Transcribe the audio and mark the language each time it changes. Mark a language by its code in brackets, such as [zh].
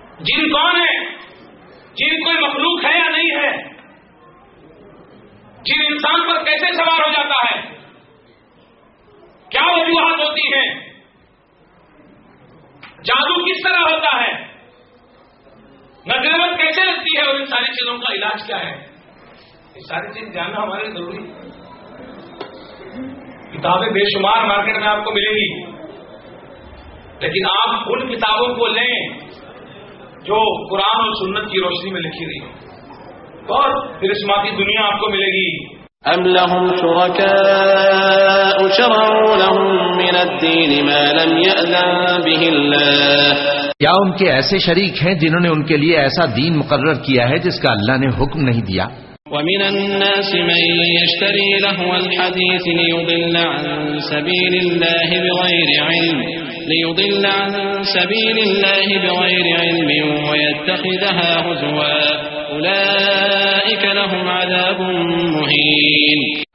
[ur] جن کون ہے, جن کوئی مخلوق ہے یا نہیں ہے, جن انسان پر کیسے سوار ہو جاتا ہے, کیا وجوہات ہوتی ہیں, جادو کس طرح ہوتا ہے, نظر بد کیسے لگتی ہے اور ان ساری چیزوں کا علاج کیا ہے, یہ ساری چیز جاننا ہمارے لیے ضروری ہے. کتابیں بے شمار مارکیٹ میں آپ کو ملیں گی, لیکن آپ ان کتابوں کو لیں جو قرآن اور سنت کی روشنی میں لکھی گئی اور پھر اس ماتی دنیا آپ کو ملے گی. [ar] أم لهم شركاء شرعوا لهم من الدين ما لم يأذن به الله. [ur] کیا ان کے ایسے شریک ہیں جنہوں نے ان کے لیے ایسا دین مقرر کیا ہے جس کا اللہ نے حکم نہیں دیا؟ [ar] وَمِنَ النَّاسِ مَن يَشْتَرِي لَهْوَ الْحَدِيثِ لِيُضِلَّ عَن سَبِيلِ اللَّهِ بِغَيْرِ عِلْمٍ وَيَتَّخِذَهَا هُزُوًا أُولَئِكَ لَهُمْ عَذَابٌ مُهِينٌ.